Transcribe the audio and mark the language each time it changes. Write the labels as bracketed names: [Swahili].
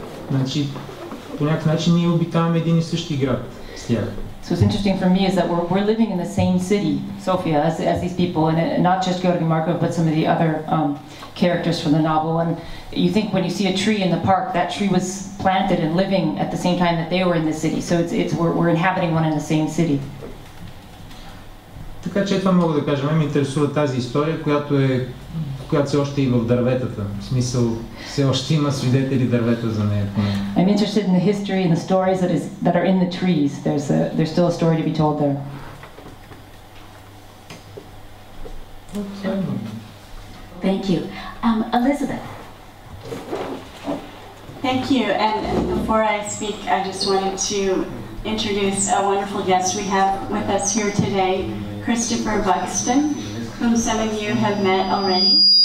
[Bulgarian] Значи, по някакъв начин ние обитаваме един и същи град с тях. [English] So what's interesting for me is that we're living in the same city, Sofia, as these people, and not just Georgi Markov, but some of the other characters from the novel. And you think when you see a tree in the park, that tree was planted and living at the same time that they were in the city. So it's we're inhabiting one in the same city. [Bulgarian] Така че това мога да кажа. Мен ме интересува тази история, която се още и в дърветата. В смисъл, все още има свидетели дървета за нея. [English] I'm interested in the history and the stories that are in the trees. There's still a story to be told there. Thank you. Elizabeth. Thank you. And before I speak, I just wanted to introduce a wonderful guest we have with us here today, Christopher Buxton, whom some of you have met already.